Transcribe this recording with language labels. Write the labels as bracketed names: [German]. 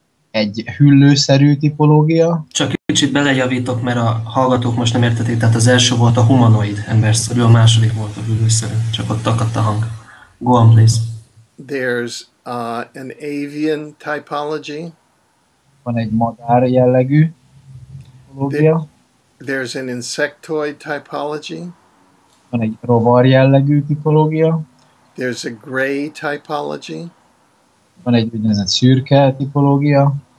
[Hungarian] Egy hüllőszerű tipológia. Csak kicsit belejavítok, mert a hallgatók most nem értették, tehát az első volt a humanoid emberszerű, a második volt a hüllőszerű. Csak ott akadt a hang. [English] Go on, please. There's an avian typology. [Hungarian] Van egy madár jellegű tipológia. [English] There's an insectoid typology. [Hungarian] Van egy rovar jellegű tipológia. [English] There's a gray typology. [Hungarian] Van egy úgynevezett szürke tipológia.